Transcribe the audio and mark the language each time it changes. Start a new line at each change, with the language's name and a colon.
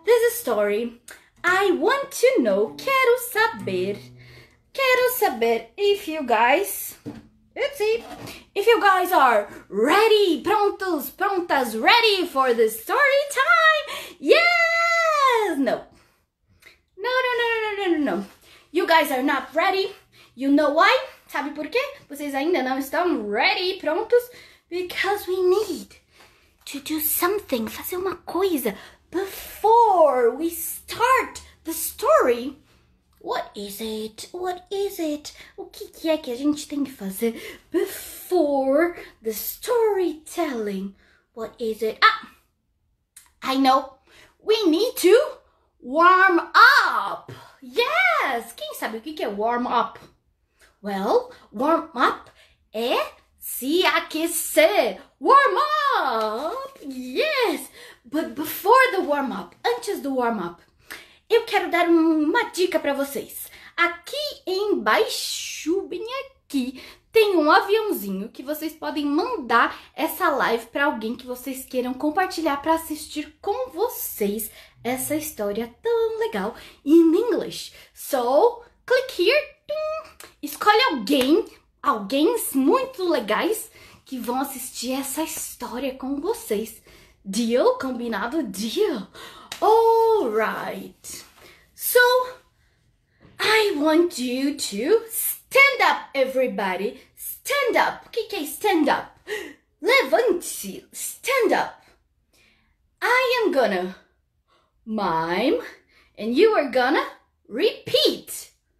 English: Story, I want to know,
Portuguese: quero saber
English: if you guys, if you guys are ready,
Portuguese: prontas,
English: ready for the story time, yes, no, you guys are not ready, you know why,
Portuguese: sabe por quê? Vocês ainda não estão
English: ready,
Portuguese: prontos,
English: because we need to do something,
Portuguese: fazer uma coisa.
English: Before we start the story, what is it?
Portuguese: O que é que a gente tem que fazer?
English: Before the storytelling, what is it? Ah, I know. We need to warm up.
Portuguese: Yes, quem sabe o que é warm up? Well, warm up é se aquecer.
English: Warm up, yes. But before the warm-up,
Portuguese: antes do warm-up, eu quero dar uma dica para vocês. Aqui embaixo, bem aqui, tem um aviãozinho que vocês podem mandar essa live para alguém que vocês queiram compartilhar para assistir com vocês essa história tão legal
English: in English. So, click here. Ding.
Portuguese: Escolhe alguém muito legais que vão assistir essa história com vocês.
English: Deal?
Portuguese: Combinado?
English: Deal. Alright. So, I want you to stand up, everybody. Stand up.
Portuguese: O que é
English: stand up?
Portuguese: Levante.
English: Stand up. I am gonna mime and you are gonna repeat.